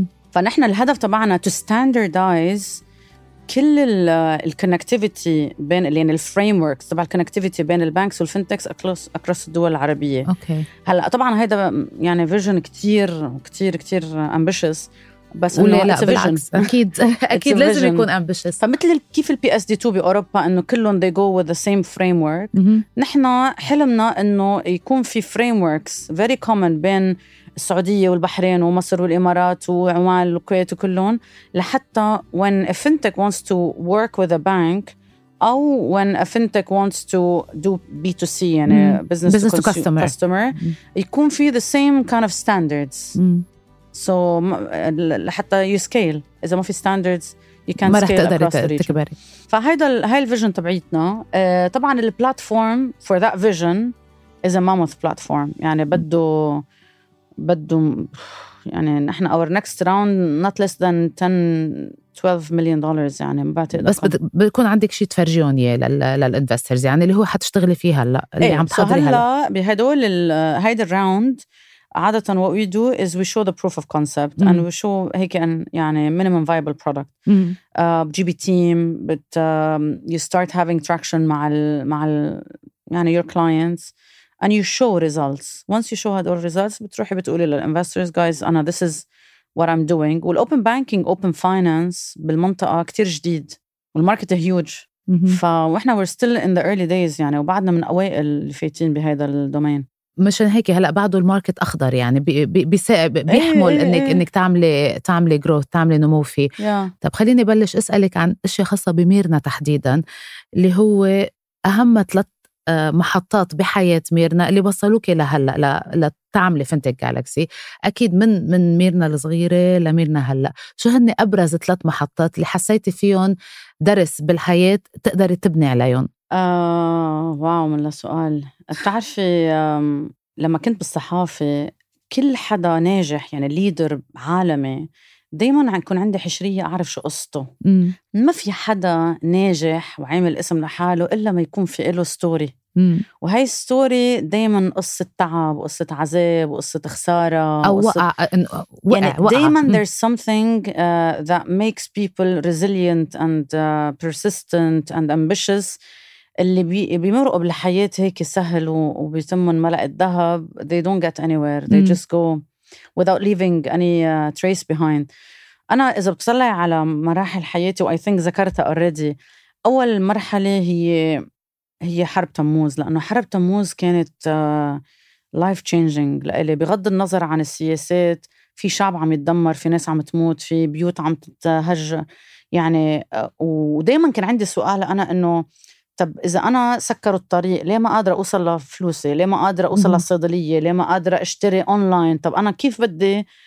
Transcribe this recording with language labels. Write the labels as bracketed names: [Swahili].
[Arabic] فنحن الهدف تبعنا [English] to standardize [Arabic] كل الconnectivity بين يعني الفريموركس تبع الconnectivity بين البنكس والفينتكس [English] across [Arabic] الدول العربية. اوكي هلا طبعا هيدا يعني vision كتير كتير كتير ambitious بس لا أكيد أكيد لازم vision. يكون ambitious. فمثل كيف الـ PSD2 بأوروبا أنه كلهم [English] they go with the same framework. [Arabic] نحنا حلمنا أنه يكون في [English] frameworks very common [Arabic] بين السعودية والبحرين ومصر والإمارات وعمان والكويت وكلهم, لحتى [English] when a fintech wants to work with a bank [Arabic] أو [English] when a fintech wants to do B2C [Arabic] يعني [English] business to customer [Arabic] يكون في [English] the same kind of standards. So [Arabic] لحتى [English] you scale [Arabic] إذا ما في [English] standards you can't scale across the region. [Arabic] فهيدا هاي الفيجن تبعيتنا. طبعا البلاتفورم [English] for that vision is a mammoth platform, [Arabic] يعني بده يعني نحن [English] our next round not less than 10-12 million dollars. [Arabic] يعني ما بعتقد بس بكون عندك شيء تفرجيهم اياه للانفسترز يعني اللي هو حتشتغلي فيه هلا اللي عم تحضري هلا. بهدول هيدا الراوند عادة [English] what we do is we show the proof of concept and we show [Arabic] هيك يعني [English] minimum viable product. GB team but you start having traction [Arabic] مع ال يعني [English] your clients and you show results. Once you show [Arabic] هدول [English] results [Arabic] بتروحي بتقولي للinvestors [English] guys [Arabic] أنا [English] this is what I'm doing. والopen banking open finance [Arabic] بالمنطقة كتير جديد [English] والmarket is huge. [Arabic] فإحنا [English] we're still in the early days [Arabic] يعني وبعدنا من أوائل اللي فايتين بهذا الدومين. مشان هيك هلا بعده الماركت اخضر يعني بيحمل انك تعملي جروث تعملي نمو فيه. Yeah. طب خليني بلش اسالك عن اشياء خاصه بميرنا تحديدا اللي هو اهم ثلاث محطات بحياه ميرنا اللي وصلوك لهلا لتعملي فنتك جالكسي. اكيد من ميرنا الصغيره لميرنا هلا, شو هن ابرز ثلاث محطات اللي حسيتي فيهم درس بالحياه تقدري تبني عليهم؟ واو من السؤال. بتعرفي لما كنت بالصحافة كل حدا ناجح يعني ليدر عالمي دايما يكون عندي حشرية أعرف شو قصته. ما في حدا ناجح وعامل اسم لحاله إلا ما يكون في إله ستوري. وهي ستوري دايما قصة تعب وقصة عذاب وقصة خسارة أو وقع [English] يعني دايما there's something that makes people resilient and persistent and ambitious [Arabic] اللي بيمرقوا بالحياة هيك سهل وبيتمون ملأ الذهب [English] they don't get anywhere they just go without leaving any trace behind. [Arabic] أنا إذا بتطلع على مراحل حياتي و [English] I think [Arabic] ذكرتها already أول مرحلة هي حرب تموز لأنه حرب تموز كانت life changing لإلي بغض النظر عن السياسات في شعب عم يتدمر في ناس عم تموت في بيوت عم تتهجر يعني ودائما كان عندي سؤال أنا إنه طب إذا أنا سكروا الطريق ليه ما قادرة أوصل لفلوسي ليه ما قادرة أوصل للصيدلية ليه ما قادرة أشتري أونلاين طب أنا كيف بدي